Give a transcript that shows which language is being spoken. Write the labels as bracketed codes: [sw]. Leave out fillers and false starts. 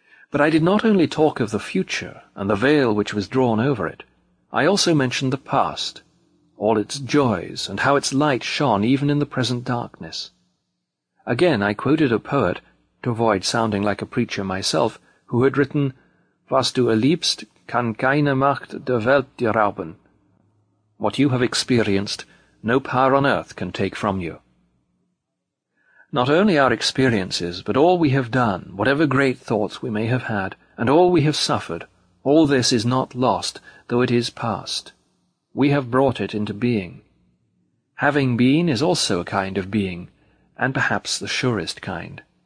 [en] But I did not only talk of the future and the veil which was drawn over it. I also mentioned the past, all its joys, and how its light shone even in the present darkness. Again I quoted a poet, to avoid sounding like a preacher myself, who had written, [de] "Was du erliebst, kann keine Macht der Welt dir rauben. [en] What you have experienced, no power on earth can take from you. Not only our experiences, but all we have done, whatever great thoughts we may have had, and all we have suffered, all this is not lost, though it is past. We have brought it into being. Having been is also a kind of being, and perhaps the surest kind.